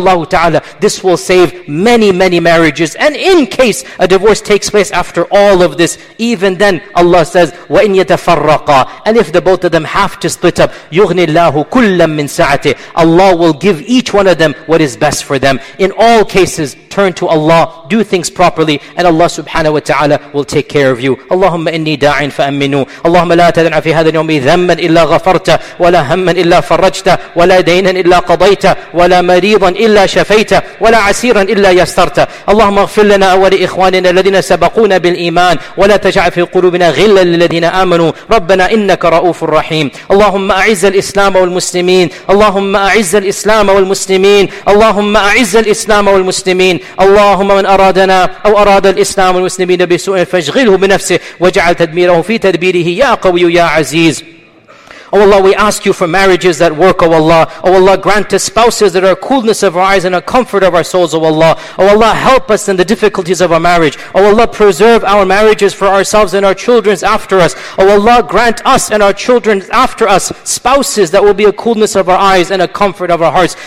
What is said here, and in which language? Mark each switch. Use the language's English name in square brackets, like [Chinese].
[English] Allah Ta'ala, this will save many, many marriages. And in case a divorce takes place after all of this, even then Allah says, [Arabic] وَإِن يَتَفَرَّقَا, [English] and if the both of them have to split up, [Arabic] يُغْنِ اللَّهُ كُلًّا مِّن سَعَتِهِ, [English] Allah will give each one of them what is best for them. In all cases, turn to Allah, do things properly, and Allah subhanahu wa ta'ala will take care of you. [Arabic] اللهم إني داعٍ فأمنوا. اللهم لا تدع في هذا اليوم ذنبا إلا غفرت, ولا هما إلا فرجت, ولا دينا إلا قضيت, ولا مريضا إلا شفيت, ولا عسيرا إلا يسرت. اللهم اغفر لنا ولإخواننا الذين سبقونا بالإيمان, ولا تجعل في قلوبنا غلا للذين آمنوا, ربنا إنك رؤوف رحيم. اللهم أعز الإسلام والمسلمين, اللهم أعز الإسلام والمسلمين, اللهم أعز الإسلام والمسلمين. اللهم من أرادنا أو أراد الإسلام والمسلمين بسوء فاشغله بنفسه وجعل تدميره في تدبيره يا قوي يا عزيز. [English] Oh Allah, we ask you for marriages that work, oh Allah. Oh Allah, grant us spouses that are coolness of our eyes and a comfort of our souls, oh Allah. Oh Allah, help us in the difficulties of our marriage. Oh Allah, preserve our marriages for ourselves and our children after us. Oh Allah, grant us and our children after us spouses that will be a coolness of our eyes and a comfort of our hearts.